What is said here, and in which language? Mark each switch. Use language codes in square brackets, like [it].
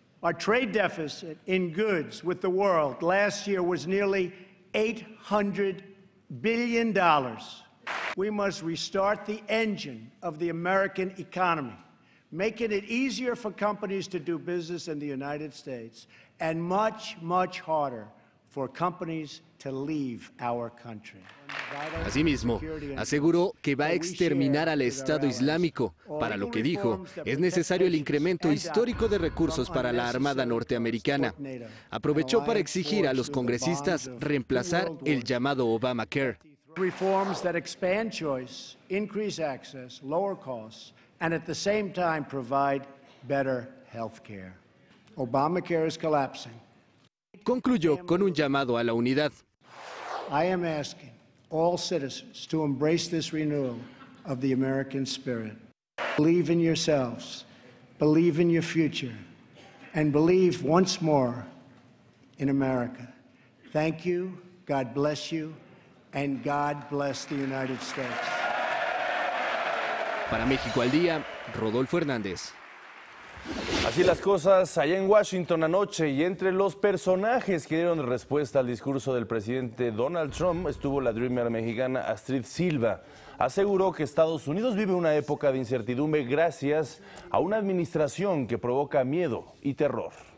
[en] Our trade deficit in goods with the world last year was nearly $800 billion. We must restart the engine of the American economy, making it easier for companies to do business in the United States and much, much harder for companies to leave our country. [es] Asimismo, aseguró que va a exterminar al Estado Islámico. Para lo que dijo, es necesario el incremento histórico de recursos para la Armada norteamericana. Aprovechó para exigir a los congresistas reemplazar el llamado Obamacare. [en] Reforms that expand choice, increase access, lower costs, and at the same time provide better health care. Obamacare is collapsing. [es] Concluyó con un llamado a la unidad. [en] I am asking all citizens to embrace this renewal of the American spirit. Believe in yourselves, believe in your future, and believe once more in America. Thank you, God bless you, and God bless the United States. [es] Para México al Día, Rodolfo Hernández. Así las cosas allá en Washington anoche, y entre los personajes que dieron respuesta al discurso del presidente Donald Trump estuvo la dreamer mexicana Astrid Silva. Aseguró que Estados Unidos vive una época de incertidumbre gracias a una administración que provoca miedo y terror.